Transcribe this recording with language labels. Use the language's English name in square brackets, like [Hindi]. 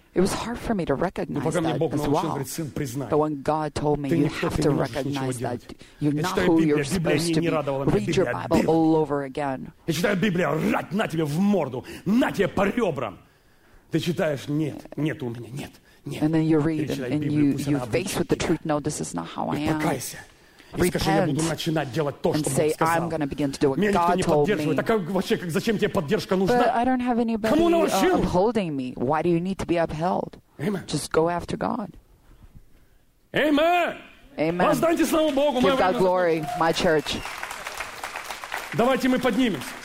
[English] It was hard for me to recognize that as well. But when God told me, you have to recognize that you're not who you're supposed to be. Read your Bible all over again. [Russian] Я читаю Библию, рать, на тебе в морду, на тебе по ребрам. Ты читаешь, нет, нет у меня, нет, нет. [English] And then you read and you face with the truth, no, this is not how I am. Repent and say, I'm going to begin to do what God told me. [Russian] Так, вообще, как, зачем тебе поддержка нужна? [English] But I don't have anybody upholding me. Why do you need to be upheld? Amen. Just go after God. Amen. Amen. [Russian] Воздайте славу Богу, [English] give God glory, my church. [Russian] Давайте мы поднимемся.